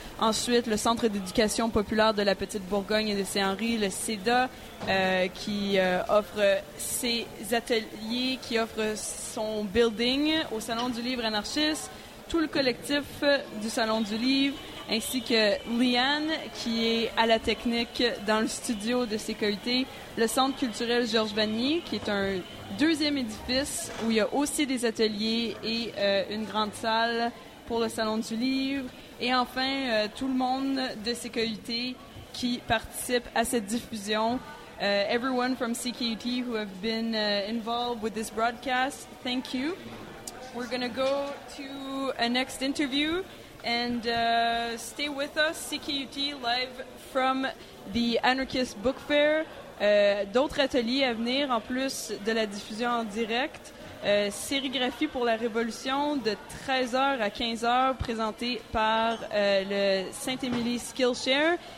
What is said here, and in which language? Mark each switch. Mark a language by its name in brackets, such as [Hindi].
[French] Ensuite, le Centre d'éducation populaire de la Petite Bourgogne et de Saint-Henri, le CEDA, qui offre ses ateliers, qui offre son building au Salon du livre anarchiste, tout le collectif du Salon du livre, ainsi que Liane, qui est à la technique dans le studio de CKUT, le Centre culturel Georges Vanier, qui est un deuxième édifice où il y a aussi des ateliers et une grande salle pour le Salon du livre. Et enfin, tout le monde de CKUT qui participe à cette diffusion. [English] Everyone from CKUT who have been involved with this broadcast, thank you. We're going to go to a next interview. And stay with us, CKUT, live from the Anarchist Book Fair. [French] D'autres ateliers à venir, en plus de la diffusion en direct. Sérigraphie pour la Révolution de 13h à 15h présentée par le Saint-Émilie Skillshare.